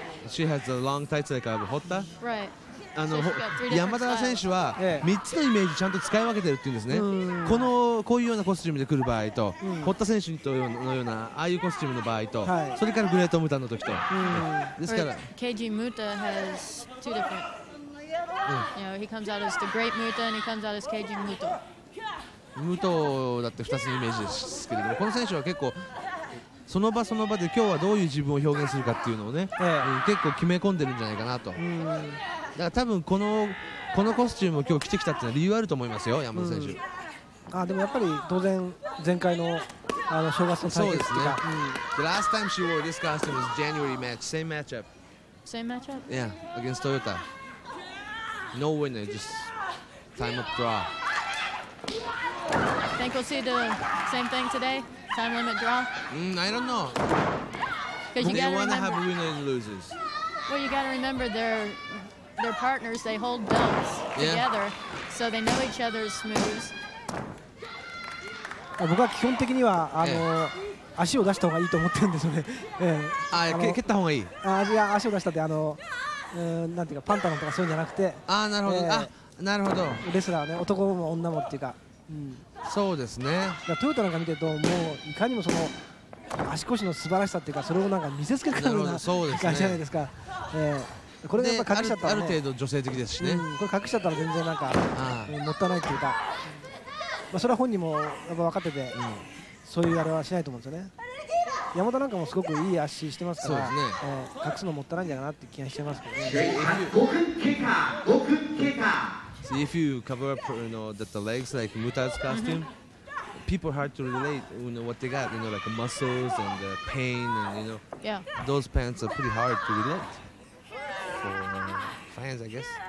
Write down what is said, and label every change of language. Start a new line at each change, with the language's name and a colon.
English: she has the long tights like a Hotta. Right.
Japanese: 山田選手は3つのイメージちゃんと使い分けてるっていうんですね。こういうようなコスチュームで来る場合と、堀田選手のようなああいうコスチュームの場合と、はい、それからグレートムタの時と、ですから
English: KG Muta has two different、he comes out as the Great Muta and he comes out as KG Muta。
Japanese: ムトだって2つのイメージですけれども、この選手は結構その場その場で今日はどういう自分を表現するかっていうのをね、結構決め込んでるんじゃないかなと。だから多分このコスチュームを今日着てきたっていうのは理由あると思いますよ、山田選手。でもやっぱり当然前回の正月の対決とか、そうですね、
English: The last time she wore this costume was January match, same matchup. Same matchup? Yeah, against Toyota. No winner, just time up draw. Think we'll see the same thing today? Time limit draw? I don't know. Because you want to have winners and losers. Well, you got to remember they're partners, they hold belts together, so they know each other's moves.
Japanese: 僕は基本的には足を出した方がいいと思ってるんですよね。蹴った方がいい。足を出したってなんていうかパンタロンとかそういうんじゃなくて。なるほど。なるほど。レスラーね、男も女もっていうか。そうですね。トヨタなんか見てると、もういかにもその足腰の素晴らしさっていうか、それをなんか見せつけるような感じじゃないですか。これやっぱ隠しちゃったら、ある程度女性的ですしね。これ隠しちゃったら全然なんか乗ったないっていうか、それは本人もやっぱ分かってて、そういうあれはしないと思うんですよね。山田なんかもすごくいい足してますから、隠すのもったないんじゃないかなって気がしてますけどね。 5分経過。
English: So if you cover up, you know, that the legs like Muta's costume, people hard to relate, you know, what they got, you know, like the muscles and the pain and you know, those pants are pretty hard to relate for fans, I guess.